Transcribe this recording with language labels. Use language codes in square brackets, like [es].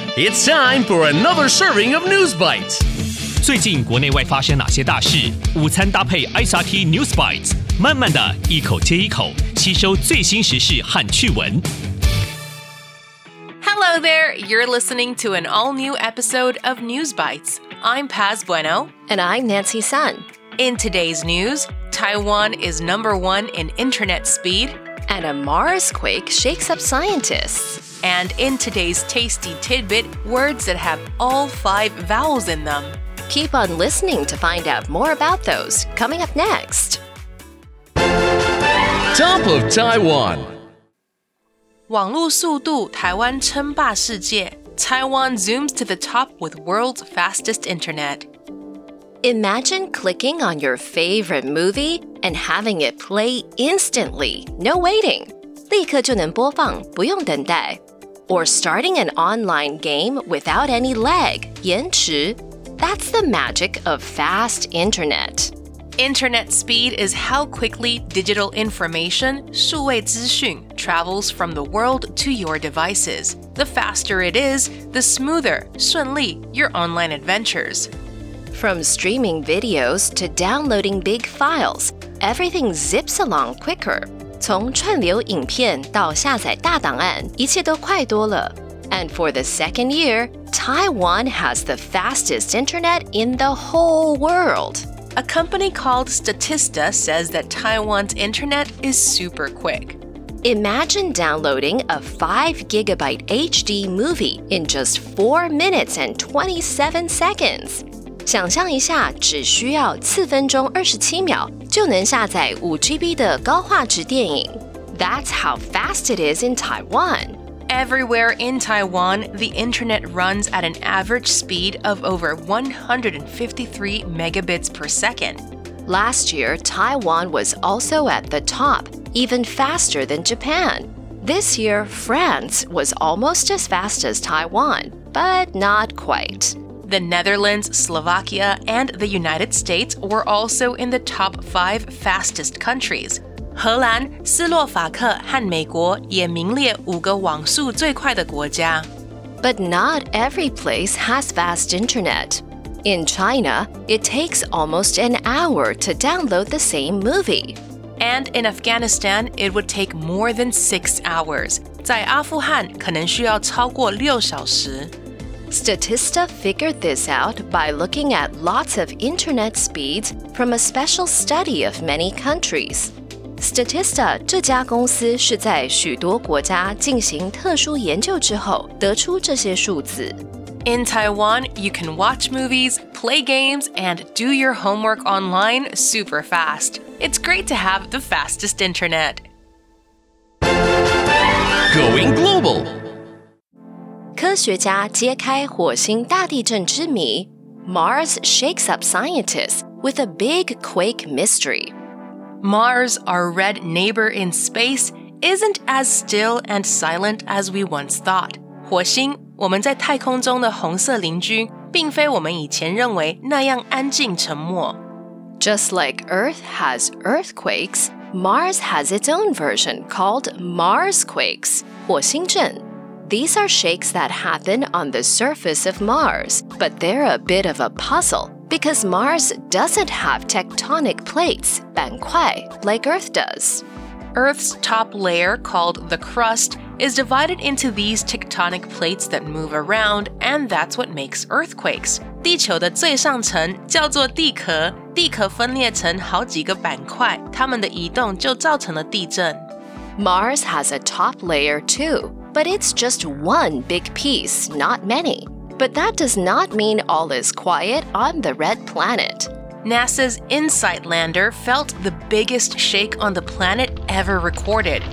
[en] It's time for another serving of News Bites. [zh] 最近国内外发生哪些大事？午餐搭配 SRT News Bites， 慢慢的一口接一口，吸收最新时事和趣闻。 [en] Hello there, you're listening to an all-new episode of News Bites. I'm Paz Bueno. And I'm Nancy Sun. In today's news, Taiwan is number one in internet speed. And a Marsquake shakes up scientists. And in today's tasty tidbit, words that have all five vowels in them. Keep on listening to find out more about those, coming up next. Top of Taiwan. [zh] 网络速度，台湾称霸世界。 [en] Taiwan zooms to the top with world's fastest internet. Imagine clicking on your favorite movie and having it play instantly, no waiting. [zh] 立刻就能播放，不用等待。 [en] Or starting an online game without any lag, 延迟。 That's the magic of fast internet. Internet speed is how quickly digital information, 数位资讯, travels from the world to your devices. The faster it is, the smoother, 顺利, your online adventures. From streaming videos to downloading big files, everything zips along quicker. [zh] 从串流影片到下载大档案,一切都快多了。 [en] And for the second year, Taiwan has the fastest internet in the whole world. A company called Statista says that Taiwan's internet is super quick. Imagine downloading a 5GB HD movie in just 4 minutes and 27 seconds. [zh] 想象一下，只需要4分钟27秒就能下载 5GB 的高画质电影。 [en] That's how fast it is in Taiwan. Everywhere in Taiwan, the internet runs at an average speed of over 153 megabits per second. Last year, Taiwan was also at the top, even faster than Japan. This year, France was almost as fast as Taiwan, but not quite. The Netherlands, Slovakia, and the United States were also in the top five fastest countries. [zh] 荷兰、斯洛伐克和美国也名列五个网速最快的国家。 [en] But not every place has fast internet. In China, it takes almost an hour to download the same movie. And in Afghanistan, it would take more than 6 hours. [zh] 在阿富汗可能需要超过六小时。 [en] Statista figured this out by looking at lots of internet speeds from a special study of many countries. [zh] Statista 这家公司是在许多国家进行特殊研究之后得出这些数字。 [en] In Taiwan, you can watch movies, play games, and do your homework online super fast. It's great to have the fastest internet. Going global. [zh] 科学家揭开火星大地震之谜。 [en] Mars shakes up scientists with a big quake mystery. Mars, our red neighbor in space, isn't as still and silent as we once thought. [zh] 火星，我们在太空中的红色邻居，并非我们以前认为那样安静沉默。 [en] Just like Earth has earthquakes, Mars has its own version called Marsquakes, 火星震。 These are shakes that happen on the surface of Mars, but they're a bit of a puzzle. Because Mars doesn't have tectonic plates, 板块, like Earth does. Earth's top layer, called the crust, is divided into these tectonic plates that move around, and that's what makes earthquakes. [zh] 地球的最上层叫做地壳，地壳分裂成好几个板块，它们的移动就造成了地震。 [en] Mars has a top layer too, but it's just one big piece, not many. But that does not mean all is quiet on the red planet. NASA's InSight lander felt the biggest shake on the planet ever recorded.